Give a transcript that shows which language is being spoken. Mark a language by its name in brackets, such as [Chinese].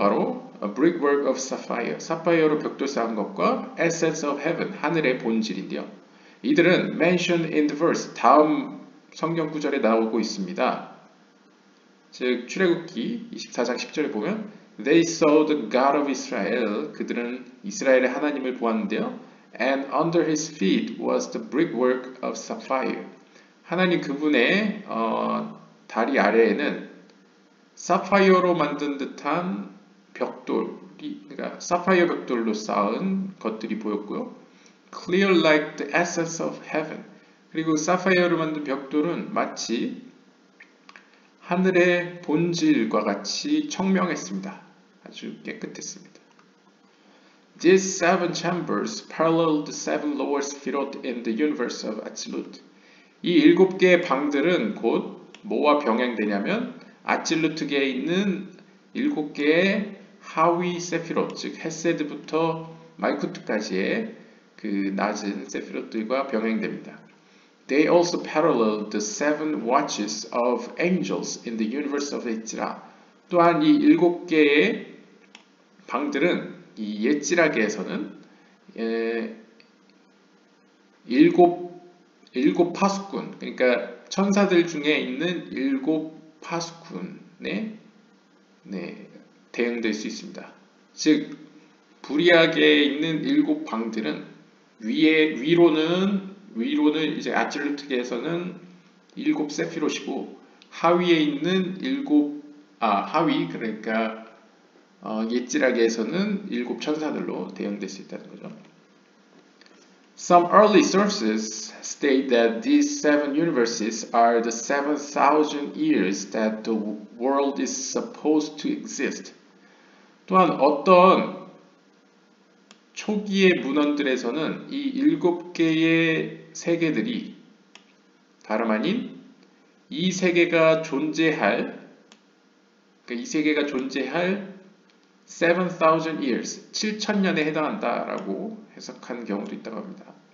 [Korean] 바로 [English] a brickwork of sapphire, [Korean] 사파이어로 벽돌 쌓은 것과 [English] essence of heaven, [Korean] 하늘의 본질인데요. 이들은 [English] mentioned in the verse, [Korean] 다음 성경 구절에 나오고 있습니다. 즉 출애굽기 24장 10절에 보면 [English] They saw the God of Israel. [Korean] 그들은 이스라엘의 하나님을 보았는데요. [English] And under his feet was the brickwork of sapphire. [Korean] 하나님 그분의 다리 아래에는 사파이어로 만든 듯한 벽돌이, 그러니까 사파이어 벽돌로 쌓은 것들이 보였고요. [English] Clear like the essence of heaven. [Korean] 그리고 사파이어로 만든 벽돌은 마치 하늘의 본질과 같이 청명했습니다. 아주 깨끗했습니다. [English] These seven chambers parallel the seven lower spheres in the universe of Atzilut. [Korean] 이 일곱 개의 방들은 곧 뭐와 병행되냐면 아틀루트계에 있는 일곱 개의 하위 세피롯, 즉 헤세드부터 말쿠트까지의 그 낮은 세피롯들과 병행됩니다. [English] They also parallel the seven watches of angels in the universe of Yetzirah. [Korean] 또한 이 일곱 개의 방들은 이 예찌라계에서는 일곱 파수꾼, 그러니까 천사들 중에 있는 일곱 파수꾼에 대응될 수 있습니다. 즉 불의하계에 있는 일곱 방들은 위로는 이제 아틀루트계에서는 일곱 세피롯이고 하위에 있는 하위 그러니까 예찌라계에서는 일곱 천사들로 대응될 수 있다는 거죠. [English] Some early sources state that these seven universes are the 7,000 years that the world is supposed to exist. [Korean] 또한 어떤 초기의 문헌들에서는 이 일곱 개의 세계들이 다름 아닌 이 세계가 존재할 7,000 years, 7,000년에 해당한다라고 해석한 경우도 있다고 합니다.